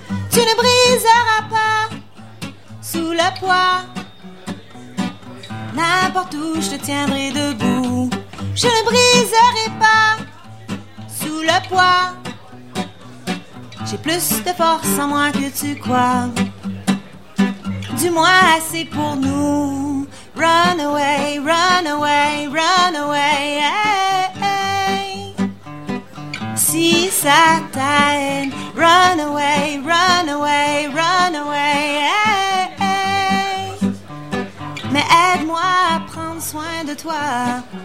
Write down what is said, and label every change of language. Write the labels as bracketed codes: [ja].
[fr] Tu ne briseras pas sous le poids, n'importe où je te tiendrai debout. Je ne briserai pas sous le poids, j'ai plus de force en moi que tu crois. Du moins assez pour nous. [en] Run away, run away, run away, hey, hey. [fr] Si ça t'aide. [en] Run away, run away, run away, hey, hey. [fr] Mais aide-moi à prendre soin de toi.